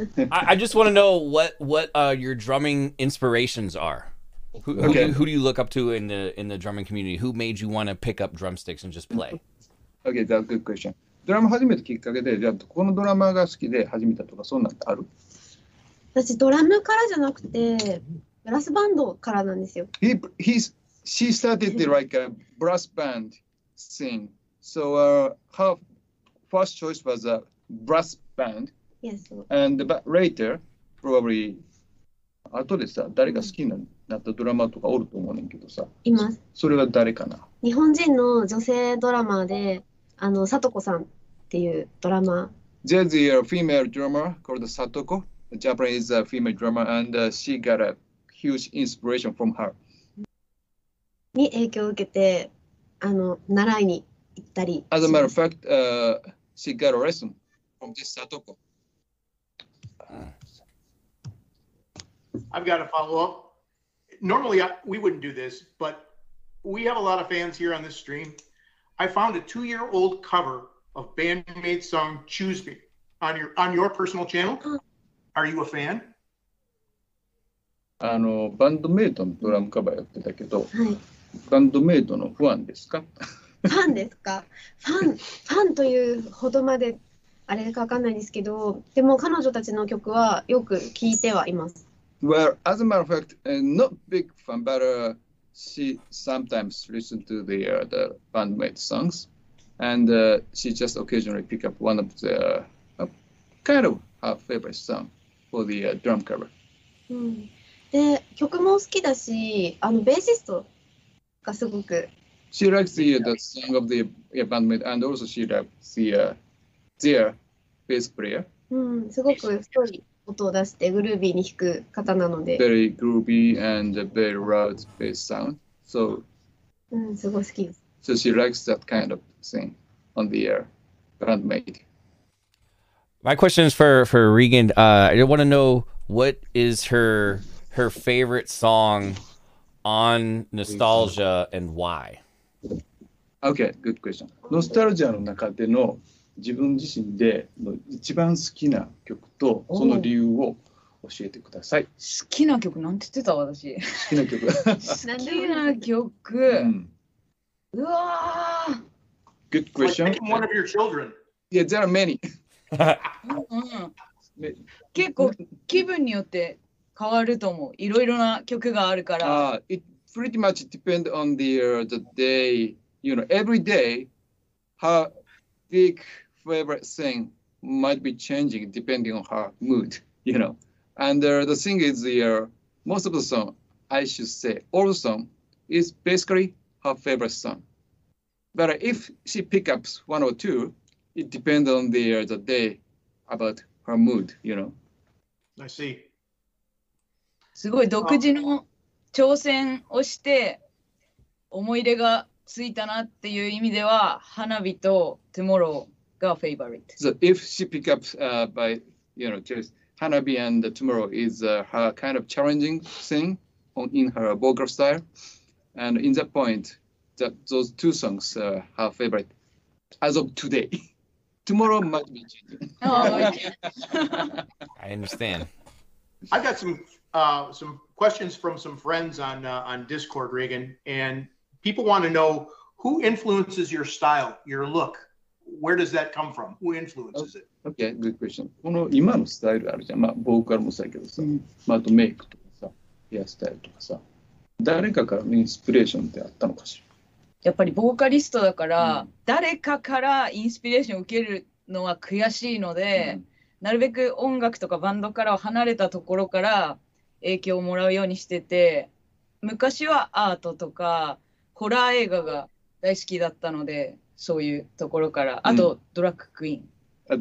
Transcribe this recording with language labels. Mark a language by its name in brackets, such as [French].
[English] I just want to know what your drumming inspirations are. Who do you look up to in the drumming community? Who made you want to pick up drumsticks and just play? Okay, that's a good question. [Japanese] ドラム始めたきっかけで、じゃあこのドラマが好きで始めたとかそんなのある？私ドラムからじゃなくて。ブラスバンドからなんですよ。 [English] She started the like a brass band thing. So her first choice was a brass band. Yes. And but later, probably, [Japanese] 後でさ、誰が好きになったドラマとかおると思うねんけどさ。います。それは誰かな？日本人の女性ドラマーで、さとこさんっていうドラマー。 [English] There's a female drummer called Satoko. A Japanese female drummer and she got a... huge inspiration from her. [Japanese] に影響を受けて、習いに行ったり。 [English] As a matter of fact, she got a lesson from this Satoko. I've got a follow-up. Normally, we wouldn't do this, but we have a lot of fans here on this stream. I found a 2-year-old cover of Bandmate's song Choose Me on your personal channel. Are you a fan? [Japanese] バンドメイトのドラムカバーやってたけど、はい、バンドメイトのファンですか？ファンですか？ファンというほどまであれかわかんないですけど、でも彼女たちの曲はよく聴いてはいます。 [English] Well, as a matter of fact, not big fan, but she sometimes listens to the bandmate songs, and she just occasionally pick up one of the kind of her favorite song for the drum cover.、 [Japanese] うんで、曲も好きだし、ベーシストがすごく。 [English] She likes the song of the bandmate and also she likes their bass player. [Japanese] すごく太い音を出してグルービーに弾く方なので。 [English] Very groovy and very loud bass sound. So, [Japanese] すごい好きです。 [English] So she likes that kind of thing on the bandmate. My question is for Regan. I want to know what is her favorite song on Nostalgia and why? Okay, good question. [Japanese] Nostalgia の中での自分自身での一番好きな曲とその理由を教えてください。好きな曲なんて言ってた私。好きな曲。好きな曲。うわー。 [English] Good question. I'm one of your children. Yeah, there are many. [Japanese] うん、結構気分によって変わると思う。いろいろな曲があるから。 [English] It pretty much depends on the day. You know, every day, her big favorite thing might be changing depending on her mood, you know. And the thing is, most of the song, I should say, all the song is basically her favorite song. But if she picks up one or two,It depends on the day about her mood, you know. I see. [Japanese] すごい独自の挑戦をして思い出がついたなっていう意味では花火と Tomorrow がフェイバリット。 [English] So if she pick up by, you know, just 花火 and Tomorrow is her kind of challenging thing in her vocal style. And in that point, that those two songs are her favorite as of today. Tomorrow might be changing. Oh, okay. I understand. I've got some questions from some friends on Discord, Regan, and people want to know who influences your style, your look. Where does that come from? Who influences it? Okay, good question. [Japanese] この今のスタイルあるじゃん。まあ、ボーカルもそうだけどさ、まあ、あとメイクとかさ、ヘアスタイルとかさ、誰かからのインスピレーションってあったのかしら。やっぱりボーカリストだから、うん、誰かからインスピレーションを受けるのは悔しいので、うん、なるべく音楽とかバンドから離れたところから影響をもらうようにしてて、昔はアートとかホラー映画が大好きだったので、そういうところから、あと、うん、ドラッグクイーン、